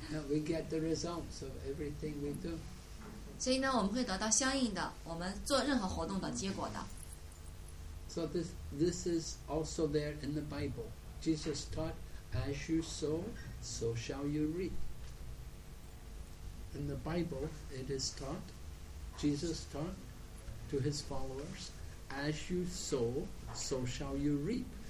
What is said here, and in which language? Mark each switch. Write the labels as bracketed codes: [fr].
[en] We get the results of everything we do. [zh] 所以呢，我们会得到相应的我们做任何活动的结果的。So [en] this is also there in the Bible. Jesus taught, "As you sow, so shall you reap." In the Bible, it is taught. Jesus taught to his followers, "As you sow, so shall you reap."